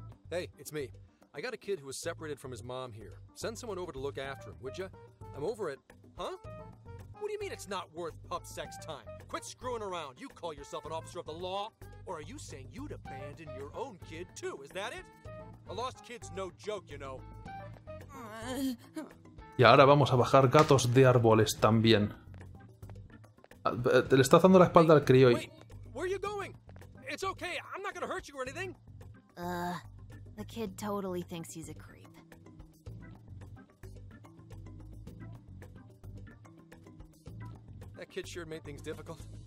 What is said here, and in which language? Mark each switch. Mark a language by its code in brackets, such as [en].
[en] Hey, it's me. I got a kid who was separated from his mom here. Send someone over to look after him, would you? I'm over it. Huh? What do you mean it's not worth pup sex time? Quit screwing around. You call yourself an officer of the law? Or are you saying you'd abandon your own kid, too? Is that it? A lost kid's no joke, you know. [es] Y ahora vamos a bajar gatos de árboles también. Le estás dando la espalda al crío. [en] Wait, where are you going? It's okay, I'm not gonna hurt you or anything. The kid totally thinks he's a creep. That kid sure made things difficult.